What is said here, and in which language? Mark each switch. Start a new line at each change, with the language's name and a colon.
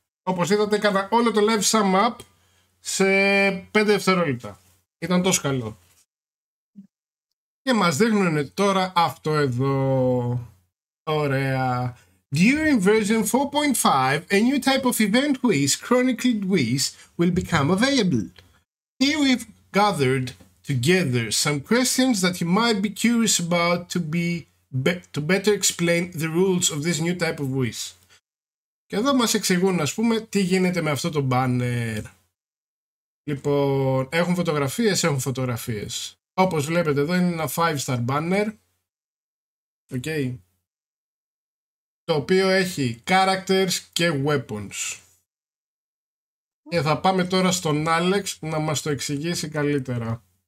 Greek: Όπως είδατε, έκανα όλο το live sum up σε 5 δευτερόλεπτα. Ήταν τόσο καλό. Και μας δείχνουν τώρα αυτό εδώ. Ωραία.
English: During version 4.5, a new type of event quiz, chronicled quiz, will become available. Here we've gathered together some questions that you might be curious about to better explain the rules of this new type of voice.
Greek: Και εδώ μας εξηγούν, ας πούμε, τι γίνεται με αυτό το banner. Λοιπόν, έχουν φωτογραφίες, έχουν φωτογραφίες. Όπως βλέπετε εδώ είναι ένα 5-star banner. Okay. Το οποίο έχει characters και weapons. Και θα πάμε τώρα στον Άλεξ να μας το εξηγήσει καλύτερα.